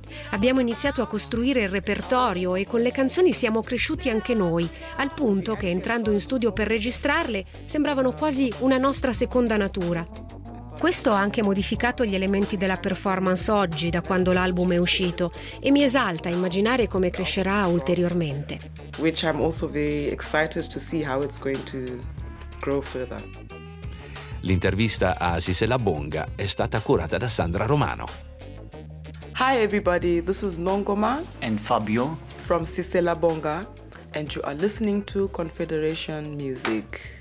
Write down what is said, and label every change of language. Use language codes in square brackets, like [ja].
[it] Abbiamo iniziato a costruire il repertorio e con le canzoni siamo cresciuti anche noi, al punto che entrando in studio per registrarle sembravano quasi una nostra seconda natura. Questo ha anche modificato gli elementi della performance oggi, da quando l'album è uscito, e mi esalta immaginare come crescerà ulteriormente. [en] Which I'm also very excited to see how it's going to grow further. [it] L'intervista a Sisela Bonga è stata curata da Sandra Romano. [en] Hi everybody, this is Nongoma and Fabio from Sisela Bonga and you are listening to Confederation Music.